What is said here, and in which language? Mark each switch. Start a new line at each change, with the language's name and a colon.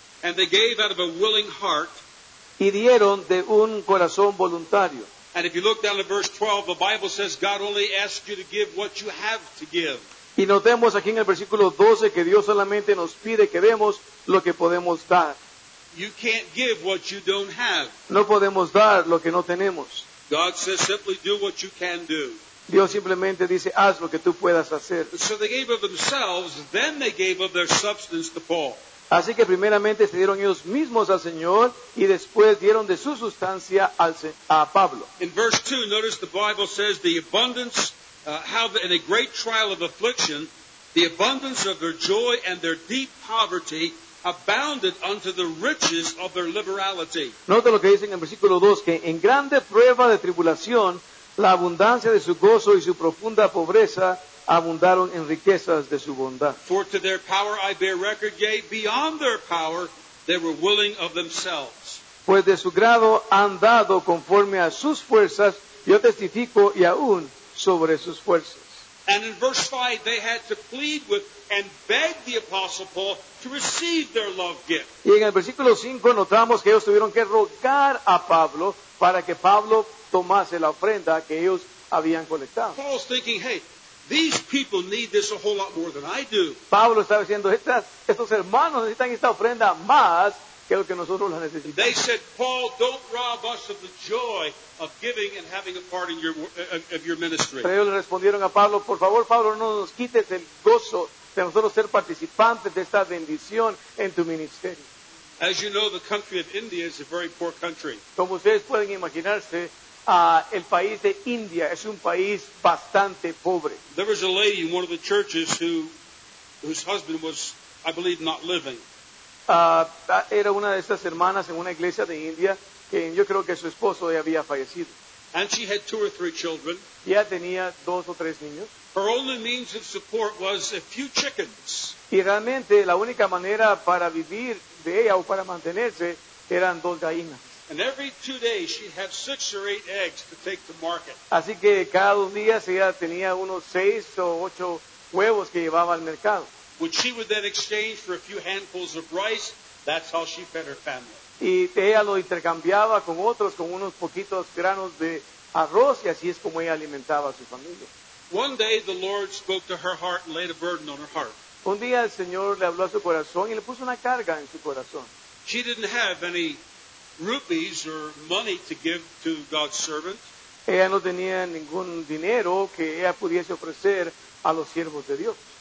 English: And they gave out of a willing heart.
Spanish: Y dieron de un corazón voluntario.
English: And if you look down at verse 12, the Bible says God only asks you to give what you have to give.
Spanish: Y notemos aquí en el versículo 12 que Dios solamente nos pide que demos lo que podemos dar.
English: You can't give what you don't have.
Spanish: No podemos dar lo que no tenemos.
English: God says simply do what you can do.
Spanish: Dios simplemente dice, haz lo que tú puedas hacer.
English: So they gave of themselves, then they gave of their substance to Paul.
Spanish: Así que primeramente se dieron ellos mismos al Señor y después dieron de su sustancia a Pablo.
English: In verse 2, notice the Bible says the abundance in a great trial of affliction, the abundance of their joy and their deep poverty abounded unto the riches of their liberality.
Spanish: Note lo que dicen en versículo 2, que en grande prueba de tribulación, la abundancia de su gozo y su profunda pobreza abundaron en riquezas de su bondad.
English: For to their power I bear record, yea, beyond their power they were willing of themselves.
Spanish: Pues de su grado han dado conforme a sus fuerzas, yo testifico y aún sobre sus fuerzas.
English: And in verse 5, they had to plead with and beg the Apostle Paul to receive their love gift.
Spanish: Y en el versículo 5 notamos que ellos tuvieron que rogar a Pablo para que Pablo tomase la ofrenda que ellos habían colectado.
English: Paul's thinking, hey, these people need this a whole lot more than I do.
Spanish: Pablo estaba diciendo, estos hermanos necesitan esta ofrenda más que lo que nosotros la necesitamos.
English: They said, Paul, don't rob us of the joy of giving and having a part in your ministry.
Spanish: Pero ellos le respondieron a Pablo, por favor, Pablo, no nos quites el gozo de nosotros ser participantes de esta bendición en tu ministerio.
English: As you know, the country of India is a very poor country.
Spanish: Como ustedes pueden imaginarse, el país de India es un país bastante pobre.
English: There was a lady in one of the churches whose husband was, I believe, not living.
Spanish: Era una de estas hermanas en una iglesia de India que yo creo que su esposo ya había fallecido.
English: And she had two or three children.
Spanish: Ya tenía dos o tres niños.
English: Her only means of support was a few chickens.
Spanish: Y realmente la única manera para vivir de ella o para mantenerse eran dos gallinas.
English: And every 2 days she had 6 or 8 eggs to take to market.
Spanish: Así que cada 2 días ella tenía unos 6 o 8 huevos que llevaba al mercado.
English: Which she would then exchange for a few handfuls of rice. That's how she fed her family.
Spanish: Y ella lo intercambiaba con otros, con unos poquitos granos de arroz, y así es como ella alimentaba a su familia.
English: One day the Lord spoke to her heart and laid a burden on her heart.
Spanish: Un día el Señor le habló a su corazón y le puso una carga en su corazón.
English: She didn't have any rupees or money to give to God's servant.
Spanish: Ella no tenía ningún dinero que ella pudiese ofrecer a los siervos de Dios.